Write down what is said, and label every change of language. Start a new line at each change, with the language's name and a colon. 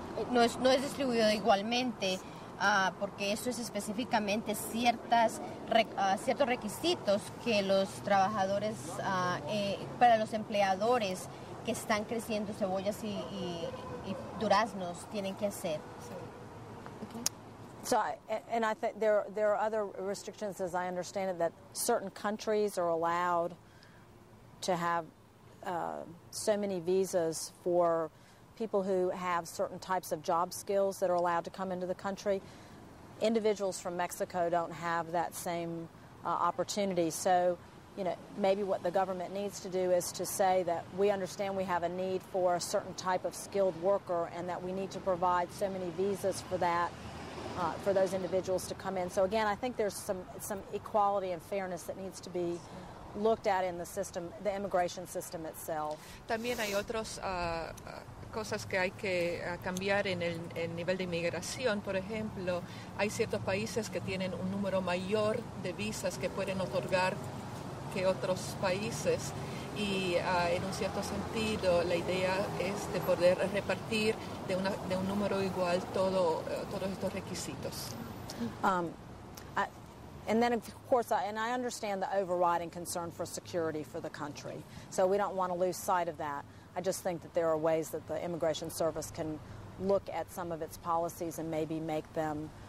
Spanish: no es distribuido igualmente porque eso es específicamente ciertos requisitos que los trabajadores para los empleadores que están creciendo cebollas y duraznos tienen que hacer.
English: So, and I think there are other restrictions, as I understand it, that certain countries are allowed to have so many visas for people who have certain types of job skills that are allowed to come into the country. Individuals from Mexico don't have that same opportunity. So, you know, maybe what the government needs to do is to say that we understand we have a need for a certain type of skilled worker and that we need to provide so many visas for that. For those individuals to come in. So again, I think there's some equality and fairness that needs to be looked at in the system, the immigration system itself.
Spanish: También hay otras cosas que hay que cambiar en el nivel de inmigración. Por ejemplo, hay ciertos países que tienen un número mayor de visas que pueden otorgar que otros países. Y en un cierto sentido, la idea es de poder repartir de un número igual todos estos requisitos.
English: I understand the overriding concern for security for the country. So we don't want to lose sight of that. I just think that there are ways that the Immigration Service can look at some of its policies and maybe make them